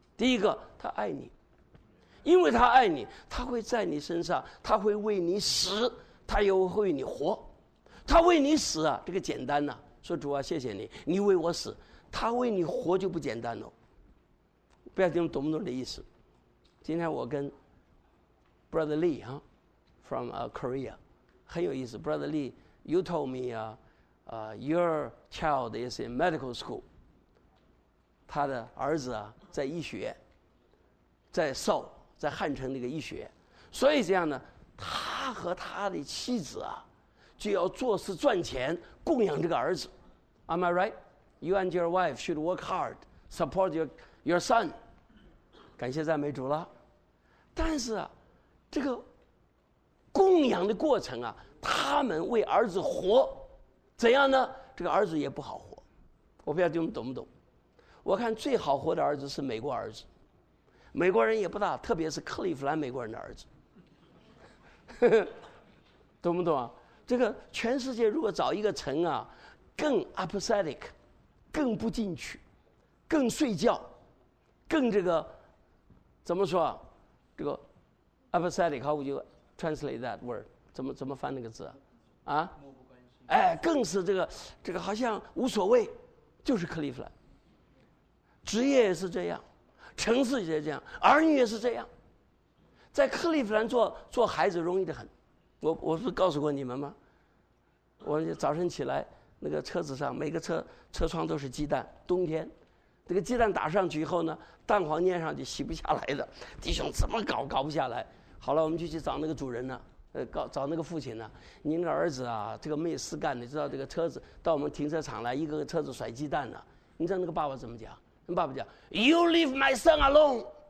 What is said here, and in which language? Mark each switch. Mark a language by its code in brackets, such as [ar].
[zh] 第一个，他爱你。因为他爱你，他会在你身上，他会为你死，他又会为你活。他为你死啊，这个简单呐、啊、说主啊谢谢你，你为我死。他为你活就不简单了。不要听懂不懂的意思。今天我跟 Brother Lee 啊 [en] from Korea, [zh] 很有意思。 [en] Brother Lee, you told me, your child is in medical school. [zh] 他的儿子啊在医学，在 Seoul, 在汉城那个医学。所以这样呢，他和他的妻子啊就要做事赚钱供养这个儿子。 [en] Am I right? You and your wife should work hard, support your son. [zh] 感谢赞美主了。但是啊，这个供养的过程啊，他们为儿子活，怎样呢？这个儿子也不好活。我不知道你们懂不懂。我看最好活的儿子是美国儿子。美国人也不大，特别是克利夫兰美国人的儿子。懂不懂啊？这个全世界如果找一个城啊，更 apathetic, 更不进取，更睡觉，更这个怎么说啊？ [en] 这个 apathetic, how would you translate that word? [zh] 怎么翻那个字啊？啊？哎，更是这个好像无所谓，就是克利夫兰。职业也是这样，城市也是这样，儿女也是这样。在克利夫兰做孩子容易得很。我不是告诉过你们吗？我早晨起来，那个车子上每个车窗都是鸡蛋，冬天，这个鸡蛋打上去以后呢，蛋黄粘上去洗不下来的，弟兄怎么搞不下来？好了，我们就去找那个主人呢，找那个父亲呢。您的儿子啊，这个没事干，你知道这个车子到我们停车场来，一个个车子甩鸡蛋呢。你知道那个爸爸怎么讲？那爸爸讲 [en] ，You leave my son alone。